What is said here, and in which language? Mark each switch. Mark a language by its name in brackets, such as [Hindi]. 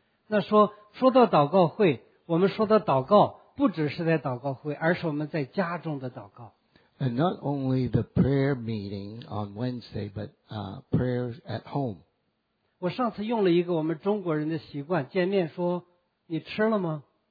[Chinese] 那说到祷告会，我们说的祷告不只是在祷告会，而是我们在家中的祷告。 [English] And not only the prayer meeting on Wednesday, but prayers at home. [Chinese] 我上次用了一个我们中国人的习惯，见面说，你吃了吗？